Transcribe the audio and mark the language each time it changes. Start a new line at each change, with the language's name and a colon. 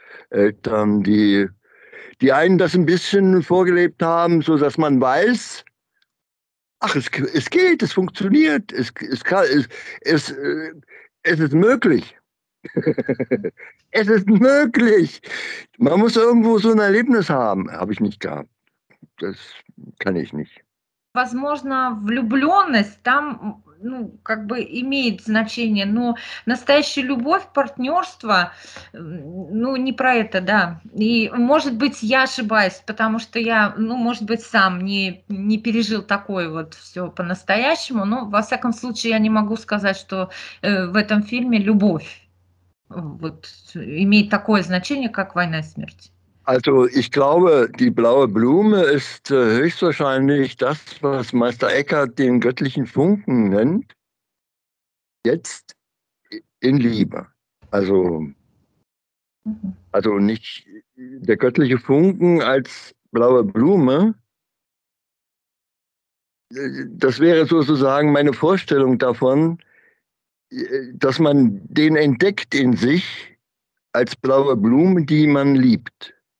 German: Eltern, die einen das ein bisschen vorgelebt haben, so dass man weiß, ach, es geht, es funktioniert, es ist möglich. Es ist möglich. Man muss irgendwo so ein Erlebnis haben. Habe ich nicht gehabt. Das kann ich nicht.
Russian: Возможно, влюбленность там, ну, как бы имеет значение, но настоящая любовь, партнерство, ну, не про это, да. И, может быть, я ошибаюсь, потому что я, ну, может быть, сам не пережил такое вот все по-настоящему, но, во всяком случае, я не могу сказать, что в этом фильме любовь вот имеет такое значение, как «Война и смерть».
German: Also ich glaube, die blaue Blume ist höchstwahrscheinlich das, was Meister Eckhart den göttlichen Funken nennt, jetzt in Liebe. Also nicht der göttliche Funken als blaue Blume, das wäre sozusagen meine Vorstellung davon, dass man den entdeckt in sich als blaue Blume, die man liebt.